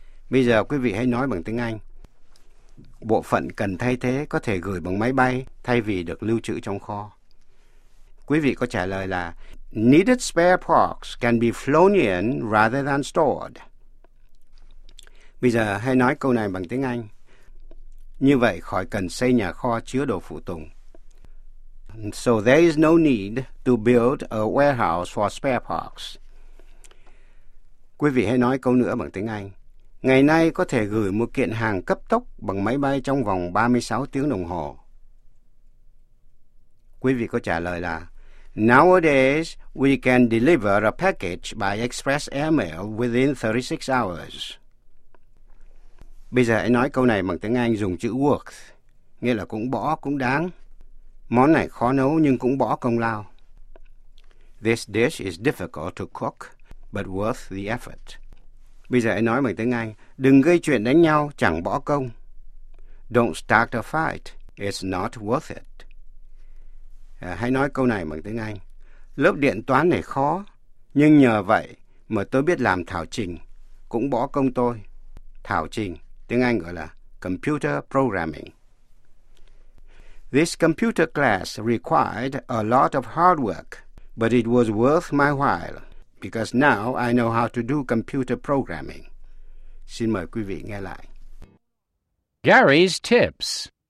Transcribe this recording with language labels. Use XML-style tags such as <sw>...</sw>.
<vi>Bây giờ quý vị hãy nói bằng tiếng Anh. Bộ phận cần thay thế có thể gửi bằng máy bay thay vì được lưu trữ trong kho. Quý vị có trả lời là</vi> <en>Needed spare parts can be flown in rather than stored.</en> <vi>Bây giờ hãy nói câu này bằng tiếng Anh. Như vậy khỏi cần xây nhà kho chứa đồ phụ tùng.</vi> <en>So there is no need to build a warehouse for spare parts.</en> <vi>Quý vị hãy nói câu nữa bằng tiếng Anh. Ngày nay có thể gửi một kiện hàng cấp tốc bằng máy bay trong vòng 36 tiếng đồng hồ. Quý vị có trả lời là</vi> <en>Nowadays, we can deliver a package by express airmail within 36 hours.</en> <vi>Bây giờ hãy nói câu này bằng tiếng Anh dùng chữ worth, nghĩa là cũng bỏ, cũng đáng. Món này khó nấu nhưng cũng bỏ công lao.</vi> <en>This dish is difficult to cook, but worth the effort.</en> <vi>Bây giờ hãy nói bằng tiếng Anh, đừng gây chuyện đánh nhau, chẳng bỏ công.</vi> <en>Don't start a fight, it's not worth it.</en> <vi>Hãy nói câu này bằng tiếng Anh. Lớp điện toán này khó, nhưng nhờ vậy mà tôi biết làm thảo trình, cũng bỏ công tôi. Thảo trình, tiếng Anh gọi là computer programming.</vi> <en>This computer class required a lot of hard work, but it was worth my while, because now I know how to do computer programming.</en> <vi>Xin mời quý vị nghe lại.</vi> <en>Gary's Tips.</en>